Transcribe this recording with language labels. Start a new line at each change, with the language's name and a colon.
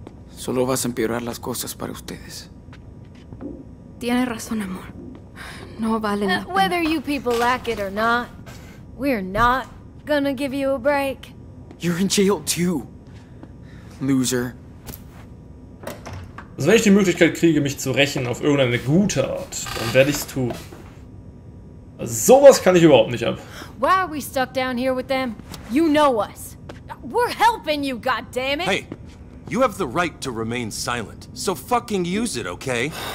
Spanish: Solo vas a empeorar las cosas para ustedes. Tienes razón, amor. No vale la pena.
English: Whether you people like it or not, we're not gonna give you a break. You're in jail too, loser.
German: Also wenn ich die Möglichkeit kriege, mich zu rächen auf irgendeine gute Art, dann werde ich's tun. Also sowas kann ich überhaupt nicht ab.
English: Why are we stuck down here with them? You know us. We're helping you, goddammit! Hey, you have the right to remain silent, so fucking use it, okay?